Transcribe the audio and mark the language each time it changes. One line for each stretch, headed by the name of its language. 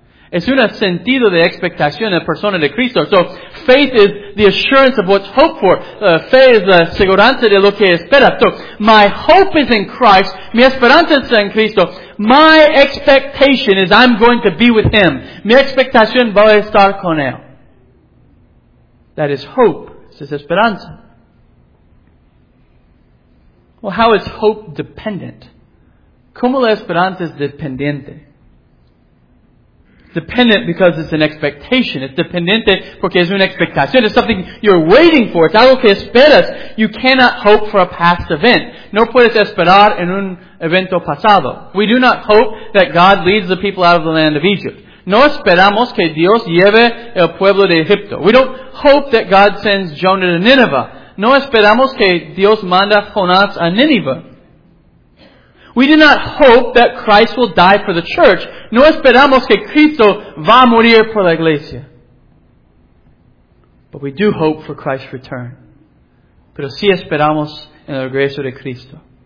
Spanish: Es un sentido de expectación en la persona de Cristo.
English: So, faith is the assurance of what's hoped for.
Spanish: Fe es la seguridad de lo que espera.
English: So, my hope is in Christ.
Spanish: Mi esperanza está en Cristo.
English: My expectation is I'm going to be with Him.
Spanish: Mi expectación va a estar con Él.
English: That is hope.
Spanish: Es esperanza.
English: Well, how is hope dependent?
Spanish: ¿Cómo la esperanza es dependiente?
English: Dependent because it's an expectation. It's
Spanish: dependiente porque es una expectación.
English: It's something you're waiting for. It's
Spanish: algo que esperas.
English: You cannot hope for a past event.
Spanish: No puedes esperar en un evento pasado.
English: We do not hope that God leads the people out of the land of Egypt.
Spanish: No esperamos que Dios lleve el pueblo de Egipto.
English: We don't hope that God sends Jonah to Nineveh.
Spanish: No esperamos que Dios manda Jonás a Nineveh.
English: We do not hope that Christ will die for the church.
Spanish: No esperamos que Cristo va a morir por la iglesia.
English: But we do hope for Christ's return.
Spanish: Pero sí esperamos en el regreso de Cristo.